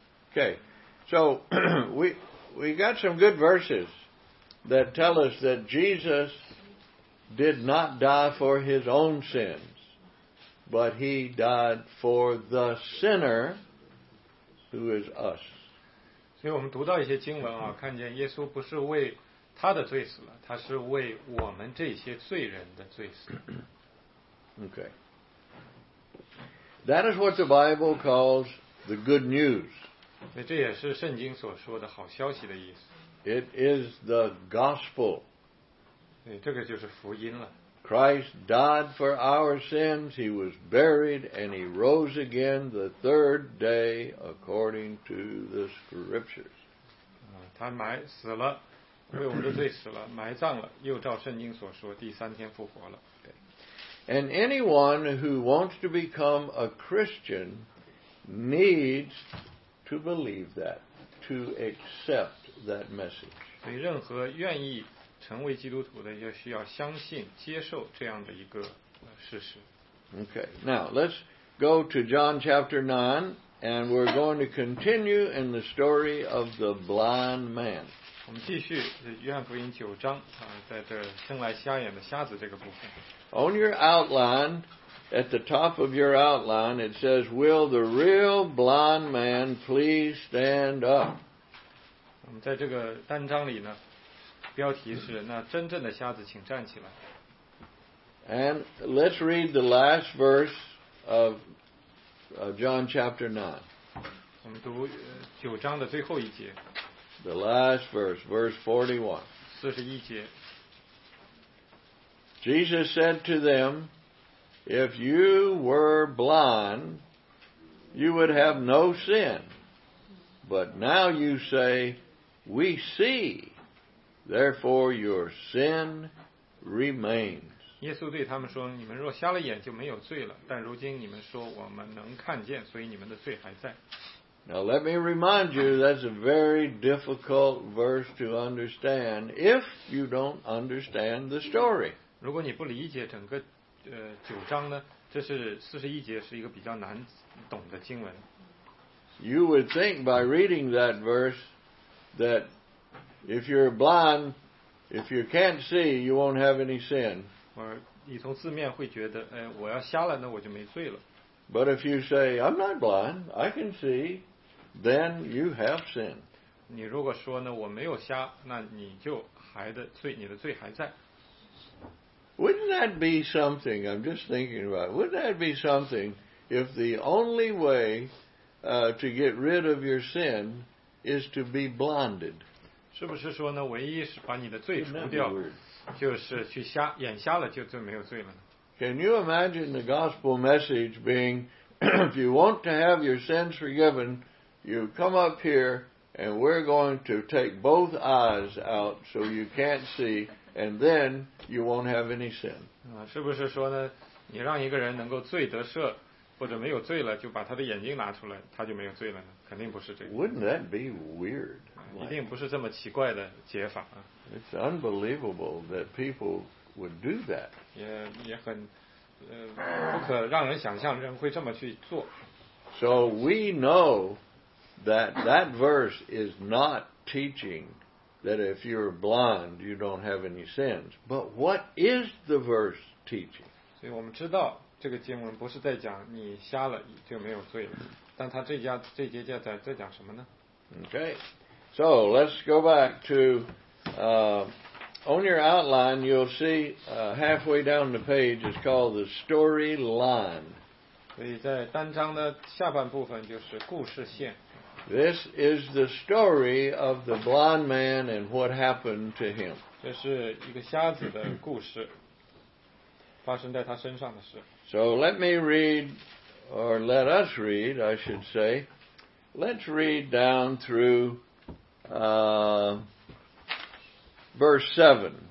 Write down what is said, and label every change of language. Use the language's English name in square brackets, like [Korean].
[English] Okay, so we got some good verses that tell us that Jesus did not die for his own sins, but he died for the sinner. Who is us? [Chinese] 所以我们读到一些经文啊，看见耶稣不是为他的罪死了，他是为我们这些罪人的罪死了。 [English] Okay. That is what the Bible calls the good news. [Chinese] 所以这也是圣经所说的好消息的意思。 [English] It is the gospel. [Chinese] 对，这个就是福音了。 [English] Christ died for our sins, he was buried, and he rose again the third day according to the scriptures. [Chinese] 他埋死了，为我们的罪死了，埋葬了，又照圣经所说，第三天复活了。 [English] And anyone who wants to become a Christian needs to believe that, to accept that message. [Chinese] 所以任何愿意成为基督徒的，就需要相信、接受这样的一个事实。 [English] Okay, now let's go to John chapter 9, and we're going to continue in the story of the blind man. [Chinese] 我们继续约翰福音九章啊，在这生来瞎眼的瞎子这个部分。 [English] On your outline, at the top of your outline, it says, "Will the real blind man please stand up?" [Chinese] 我们在这个单章里呢。标题是那真正的瞎子请站起来。 [English] And let's read the last verse of John chapter 9. [Chinese] 我们读九章的最后一节。 [English] The last verse, verse 41. [Chinese] 四十一节。 [English] Jesus said to them, "If you were blind, you would have no sin. But now you say, 'We see.'" Therefore, your sin remains. [Chinese] 耶稣对他们说，你们若瞎了眼就没有罪了，但如今你们说我们能看见，所以你们的罪还在。 [English] Now, let me remind you, that's a very difficult verse to understand if you don't understand the story. [Chinese] 如果你不理解整个九章呢，这是四十一节是一个比较难懂的经文。 [English] You would think by reading that verse that if you're blind, if you can't see, you won't have any sin. [Chinese] 你从字面会觉得，哎，我要瞎了，那我就没罪了。 [English] But if you say, "I'm not blind, I can see," then you have sin. [Chinese] 你如果说呢，我没有瞎，那你就还的罪，你的罪还在。 [English] Wouldn't that be something? I'm just thinking about it. Wouldn't that be something if the only way to get rid of your sin is to be blinded? [Chinese] 是不是说呢，唯一是把你的罪除掉，就是去瞎眼瞎了，就没有罪了呢 [English] ？Can you imagine the gospel message being, if you want to have your sins forgiven, you come up here and we're going to take both eyes out so you can't see, and then you won't have any sin？ [Chinese] 是不是说呢，你让一个人能够罪得赦，或者没有罪了，就把他的眼睛拿出来，他就没有罪了呢？肯定不是这个。 [English] Wouldn't that be weird？ [Chinese] 一定不是这么奇怪的解法啊 [English] ！It's unbelievable that people would do that. [Chinese] 也很不可让人想象人会这么去做。 [English] So we know that that verse is not teaching that if you're blind you don't have any sins. But what is the verse teaching? [Chinese] 所以我们知道这个经文不是在讲你瞎了就没有罪了，但他这节经在讲什么呢 [English] ？Okay. So let's go back to on your outline. You'll see halfway down the page is called the storyline. [Chinese] 所以在单章的下半部分就是故事线。 [English] This is the story of the blind man and what happened to him. [Chinese] 这是一个瞎子的故事，发生在他身上的事。 [English] So let me read, or let us read, I should say. Let's read down through verse 7.